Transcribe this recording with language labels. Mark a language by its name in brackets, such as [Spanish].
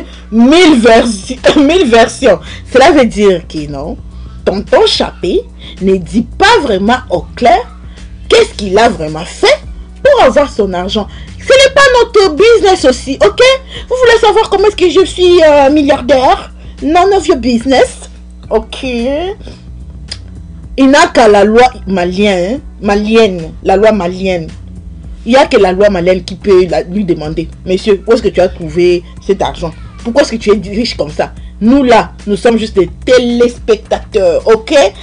[French] mille versions. Cela veut dire que non, tonton Chapé ne dit pas vraiment au clair qu'est-ce qu'il a vraiment fait pour avoir son argent. Ce n'est pas notre business aussi, ok? Vous voulez savoir comment est-ce que je suis milliardaire? [English] None of your business, ok? [French] Il n'y a qu'à la loi malienne, la loi malienne. Il n'y a que la loi malienne qui peut lui demander. Monsieur, où est-ce que tu as trouvé cet argent? Pourquoi est-ce que tu es riche comme ça? Nous là, nous sommes juste des téléspectateurs, ok?